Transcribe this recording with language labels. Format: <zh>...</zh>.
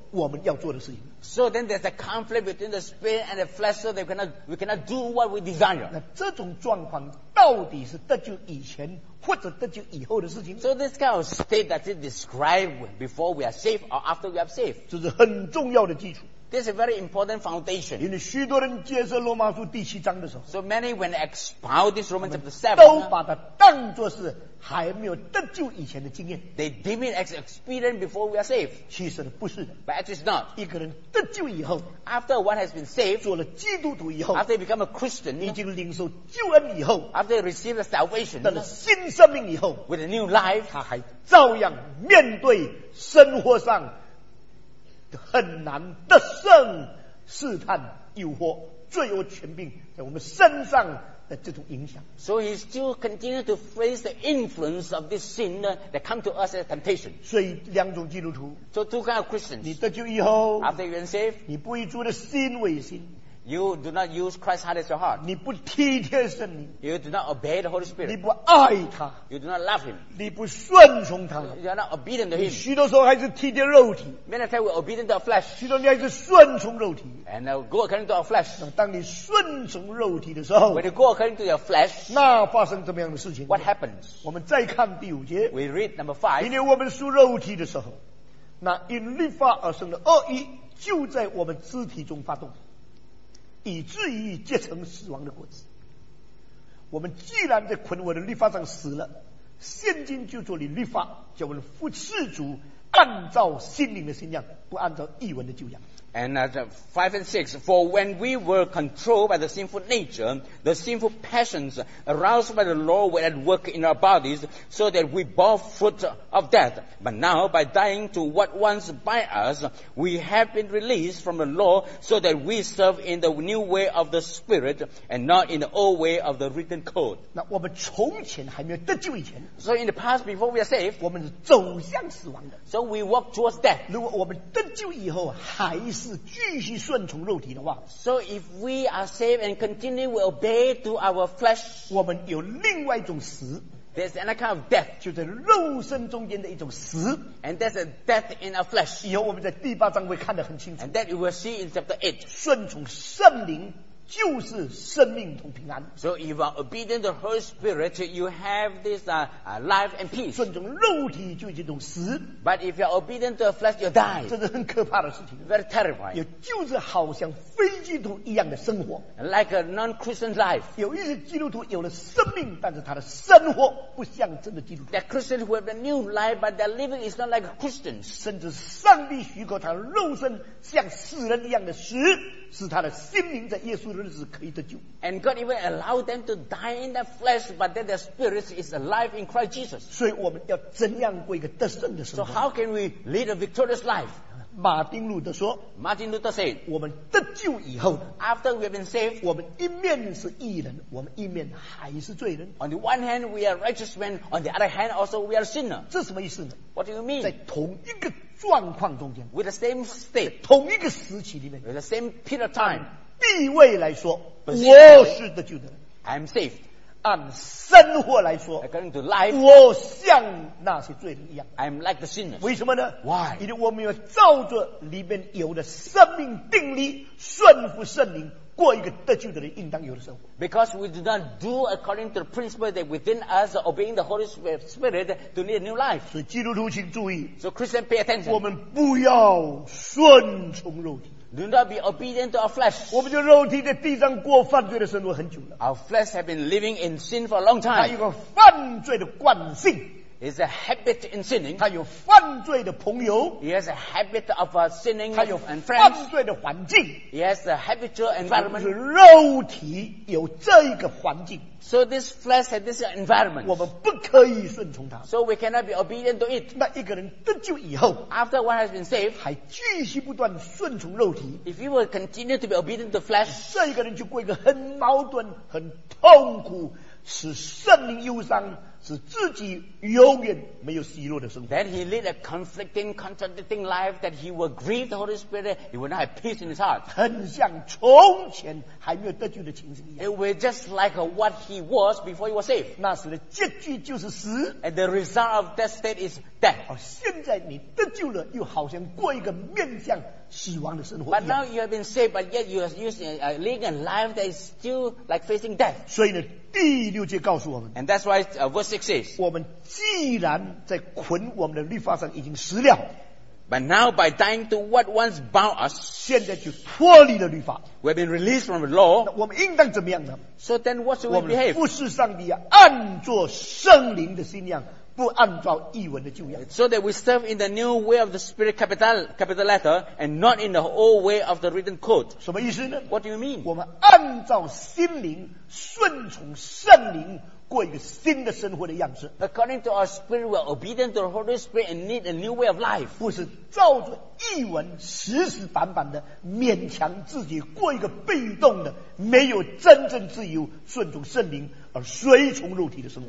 <zh>我们要做的事情。</zh> <en>So then there's a conflict between the spirit and the flesh, so that we cannot do what we desire.</en> <zh>那这种状况到底是得救以前或者得救以后的事情</zh> <en>？So this kind of state that is described before we are saved or after we are saved.</en> <zh>这是很重要的基础。</zh> <en>This is a very important foundation.</en> <zh>因为许多人接受罗马书第七章的时候</zh> <en>，So many when they expound this Romans chapter</en> <zh>7都把它当作是还没有得救以前的经验。</zh> <en>They deem it as experience before we are saved.</en> <zh>其实呢，不是的。</zh> <en>But actually, it's not.</en> <zh>一个人得救以后</zh> <en>，After one has been saved，</en> <zh>做了基督徒以后</zh> <en>，After become a Christian，</en> <zh>已经领受救恩以后</zh> <en>，After receive the salvation，</en> <zh>得了新生命以后</zh> <en>，With a new life，</en> <zh>他还照样面对生活上。很难得胜试探诱惑罪恶权柄在我们身上的这种影响</zh> <en>So he still continue to face the influence of this sin that come to us as a temptation</en> <zh>所以两种基督徒</zh> <en>So two kind of Christians</en> <zh>你得救以后</zh> <en>After you are saved</en> <zh>你不以主的心为心</zh> <en>You do not use Christ's heart as your heart</en> <zh>你不体贴圣灵</zh> <en>You do not obey the Holy Spirit</en> <zh>你不爱他</zh> <en>You do not love him</en> <zh>你不顺从他</zh> <en>You are not obedient to him</en> <zh>许多时候还是体贴肉体</zh> <en>Many times we are obedient to our flesh</en> <zh>许多你还是顺从肉体</zh> <en>And go according to our flesh</en> <zh>当你顺从肉体的时候</zh> <en>When you go according to your flesh</en> <zh>那发生怎么样的事情</zh> <en>What happens</en> <zh>我们再看第五节</zh> <en>We read number 5</en> <zh>因为我们属肉体的时候那因律法而生的恶意就在我们肢体中发动以至于结成死亡的果子我们既然在捆我的律法上死了现今就做你律法叫我们父世主按照心灵的信仰不按照义文的旧样</zh> <en>And at 5 and 6 For when we were controlled by the sinful nature the sinful passions aroused by the law were at work in our bodies so that we bore fruit of death but now by dying to what once by us we have been released from the law so that we serve in the new way of the spirit and not in the old way of the written code</en> <zh>那我们从前还没有得救以前</zh> <en>So in the past before we are saved</en> <zh>我们是走向死亡的</zh> <en>So we walk towards death.</en> <zh>如果我们得救以后还是继续顺从肉体的话，</zh> <en>so if we are saved and continue to obey to our flesh,</en> <zh>我们有另外一种死。</zh> <en>There's another kind of death,</en> <zh>就是肉身中间的一种死。</zh> <en>And there's a death in our flesh.</en> <zh>以后我们在第八章会看得很清楚。</zh> <en>And that we will see in chapter 8.</en> <zh>顺从圣灵就是生命同平安。</zh> <en>So if you are obedient to the Holy Spirit, you have this life and peace.</en> <zh>顺从肉体就是一种死。</zh> <en>But if you are obedient to the flesh, you die.</en> <zh>这是很可怕的事情。</zh> <en>Very terrifying.</en> <zh>也就是好像非基督一样的生活。</zh> <en>Like a non-Christian life.</en> <zh>有一些基督徒有了生命，但是他的生活不像真的基督徒。</zh> <en>That Christians who have a new life, but their living is not like Christians.</en> <zh>甚至上帝许可他肉身像死人一样的死，使他的心灵在耶稣的日子可以得救。</zh> <en>And God even allowed them to die in their flesh, but that their spirit is alive in Christ Jesus.</en> <zh>所以我们要怎样过一个得胜的生活？</zh> <en>So how can we lead a victorious life?</en> <zh>马丁路德说，</zh> <en>Martin Luther said,</en> <zh>我们得救以后，</zh> <en>after we have been saved,</en> <zh>我们一面是义人，我们一面还是罪人。</zh> <en>On the one hand, we are righteous men, on the other hand, also we are sinner.</en> <zh>这什么意思呢？</zh> <en>What do you mean?</en> <zh>在同一个状况中间，</zh> <en>with the same state,</en> <zh>同一个时期里面，</zh> <en>with the same period of time,</en> <zh>地位来说，</zh> <en>Position,</en> <zh>我是得救的，</zh> <en>I am saved.</en> <zh>按生活来说，</zh> <en>according to life,</en> <zh>我像那些罪人一样，</zh> <en>I am like the sinners.</en> <zh>为什么呢？</zh> <en>Why?</en> <zh>因为我们要照着里面有的生命定力顺服圣灵，过一个得救的人应当有的生活。</zh> <en>Because we do not do according to the principle that within us obeying the Holy Spirit to lead a new life.</en> <zh>所以基督徒请注意，</zh> <en>So Christian pay attention.</en> <zh>我们不要顺从肉体，</zh> <en>Do not be obedient to our flesh.</en> <zh>我们就肉体在地上过犯罪的生活很久了，</zh> <en>Our flesh have been living in sin for a long time.</en> <zh>它有个犯罪的惯性，</zh> <en>is a habit in sinning.</en> <zh>他有犯罪的朋友，</zh> <en>he has a habit of sinning.</en> <zh>他有犯罪的环境，</zh> <en>he has a habitual environment.</en> <zh>就是肉体有这一个环境，</zh> <en>so this flesh has this environment.</en> <zh>我们不可以顺从他，</zh> <en>so we cannot be obedient to it.</en> <zh>那一个人得救以后，</zh> <en>after one has been saved,</en> <zh>还继续不断顺从肉体，</zh> <en>if you will continue to be obedient to flesh,</en> <zh>这一个人就过一个很矛盾很痛苦使圣灵忧伤使自己永远没有喜乐的生活。</zh> <en>Then he lived a conflicting, contradicting life that he will grieve the Holy Spirit. He will not have peace in his heart.</en> <zh>很像从前还没有得救的情形一样。</zh> <en>It was just like what he was before he was saved.</en> <zh>那时的结局就是死。</zh> <en>And the result of that state is death.</en> <zh>而现在你得救了，又好像过一个面向死亡的生活。</zh> <en>But now you have been saved, but yet you are living a life that is still like facing death.</en> <zh>所以呢，第六节告诉我们。</zh> <en>And that's why verse 6 says,</en> <zh>我们既然在捆我们的律法上已经死了。</zh> <en>But now by dying to what once bound us,</en> <zh>现在就脱离了律法。</zh> <en>We have been released from the law.</en> <zh>我们应当怎么样呢？</zh> <en>So then what should we behave?</en> <zh>我们服侍上帝，按着圣灵的信仰，不按照义文的旧样。</zh> <en>So that we serve in the new way of the spirit, capital letter, and not in the old way of the written code.</en> <zh>什么意思呢？</zh> <en>What do you mean?</en> <zh>我们按照心灵顺从圣灵，过一个新的生活的样子。</zh> <en>According to our spirit, we are obedient to the Holy Spirit and need a new way of life.</en> <zh>不是照着义文死死板板的勉强自己过一个被动的没有真正自由顺从圣灵而随从肉体的生活。</zh>